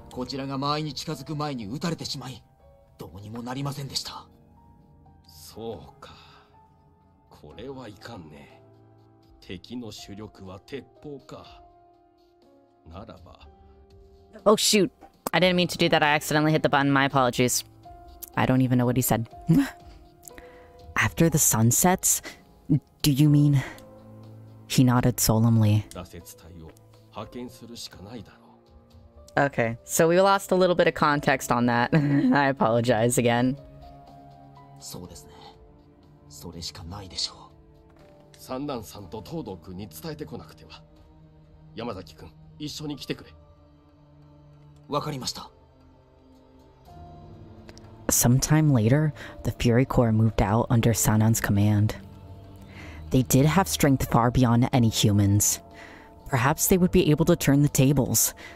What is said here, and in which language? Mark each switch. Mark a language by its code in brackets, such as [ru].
[ja] こちらが前に近づく前に撃たれてしまい、どうにもなりませんでした。そうか。これはいかんね。敵の主力は鉄砲か。ならば… [en] Oh shoot! I didn't mean to do that, I accidentally hit the button, my apologies. I don't even know what he said. After the sun sets? Do you mean… He nodded solemnly. [ja] 挫折隊を派遣するしかないだろう。 [en] Okay, so we lost a little bit of context on that. I apologize again. [ja] そうですね。それしかないでしょう。 [en] Sometime later, the Fury Corps moved out under Sanan's command. They did have strength far beyond any humans. Perhaps they would be able to turn the tables.